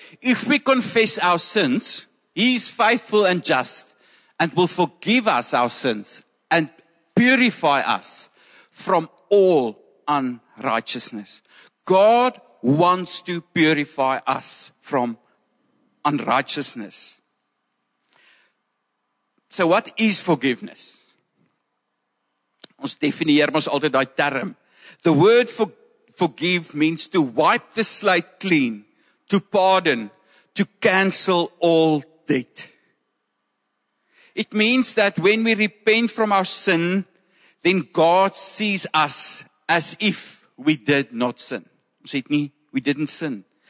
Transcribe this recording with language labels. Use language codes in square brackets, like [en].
[en] If we confess our sins, He is faithful and just and will forgive us our sins and purify us from all unrighteousness. God wants to purify us from unrighteousness. So what is forgiveness? [af] Ons definieer ons altyd die term. [en] The word forgive means to wipe the slate clean, to pardon, to cancel all debt. It means that when we repent from our sin, then God sees us as if we did not sin. We didn't sin.